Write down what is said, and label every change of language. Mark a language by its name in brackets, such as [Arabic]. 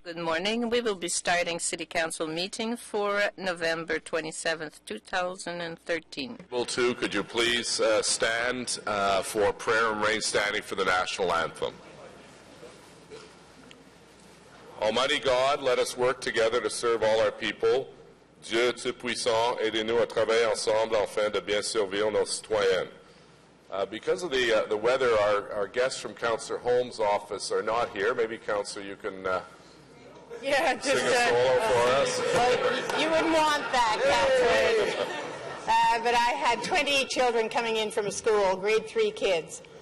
[English] Good morning. We will be starting City Council meeting for November 27th, 2013. Two, could you please stand for prayer and remain standing for the national anthem? Almighty God, let us work together to serve all our people. [French] Dieu Tout-Puissant, aidez-nous à travailler ensemble afin de bien servir nos citoyens. [English] Because of the weather, our guests from Councillor Holmes' office are not here. Maybe, Councillor, you can sing a solo for us. Well, you wouldn't want that, Councillor. But I had 20 children coming in from school, grade 3 kids.